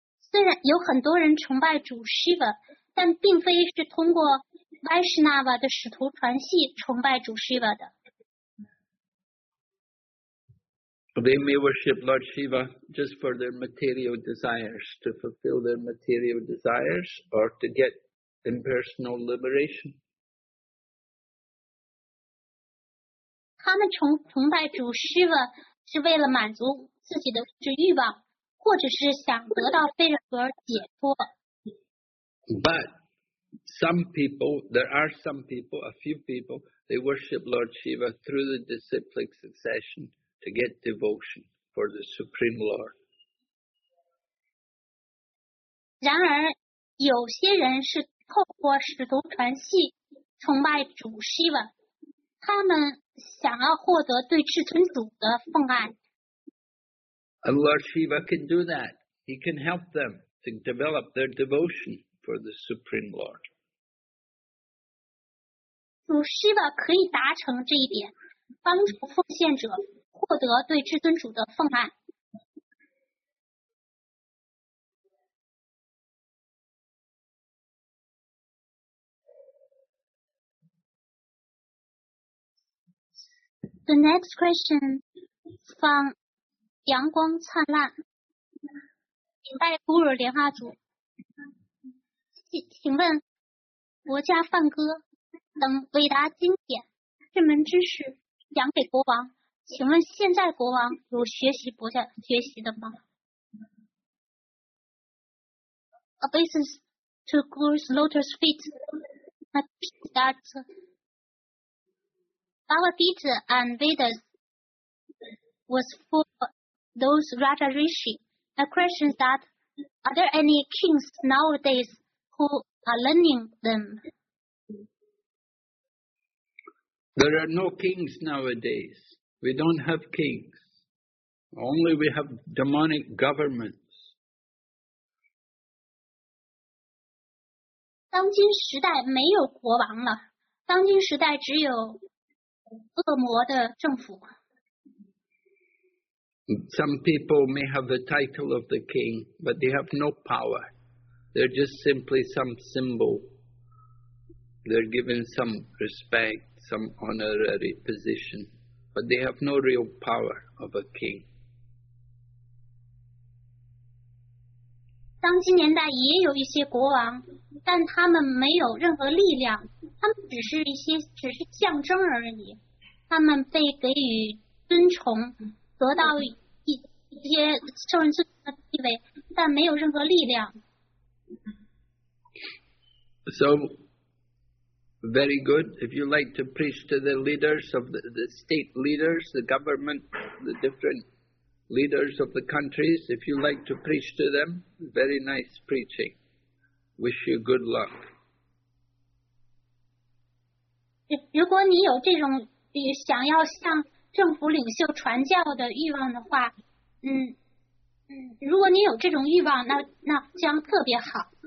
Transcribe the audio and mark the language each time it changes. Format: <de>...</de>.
<zh>虽然有很多人崇拜主 Shiva, 但并非是通过 Vaishnava 的使徒传系崇拜主 Shiva 的。</zh> <en>They may worship Lord Shiva just for their material desires, to fulfill their material desires, or to get impersonal liberation.</en> <zh>他们崇拜主 Shiva 是为了满足自己的欲望，或者是想得到非人格解脱。</zh> <en>But some people, there are some people, a few people, they worship Lord Shiva through the disciplic succession. To get devotion for the Supreme Lord.</en> <zh>然而，有些人是透过使徒传系崇拜主 Shiva， 他们想要获得对至尊主的奉爱。</zh> <en>And Lord Shiva can do that. He can help them to develop their devotion for the Supreme Lord.</en> <zh>主 Shiva 可以达成这一点，帮助奉献者。获得对至尊主的奉爱。</zh> <en>The next question from</en> <zh>阳光灿烂，顶拜古尔莲花主，请问国家梵歌等伟大经典，这门知识讲给国王。请问现在国王有学习博家学习的吗？</zh> <en>Obeisance to Guru's lotus feet, my teacher that Bhagavad-gita and Vedas was for those Raja Rishi. My question is that, are there any kings nowadays who are learning them? There are no kings nowadays. We don't have kings, only we have demonic governments.</en> <zh>当今时代没有国王了，当今时代只有恶魔的政府。</zh> <en>Some people may have the title of the king, but they have no power. They're just simply some symbol. They're given some respect, some honorary position. But they have no real power of a king.</en> <zh>当今年代也有一些国王，但他们没有任何力量，他们只是象征而已。他们被给予尊崇，得到一些受人尊重的地位，但没有任何力量。</zh> <en>So. Very good. If you like to preach to the leaders of the state leaders, the government, the different leaders of the countries, if you like to preach to them, very nice preaching. Wish you good luck.</en> <zh>如果你有这种想要向政府领袖传教的欲望的话，如果你有这种欲望，那将特别好。</zh>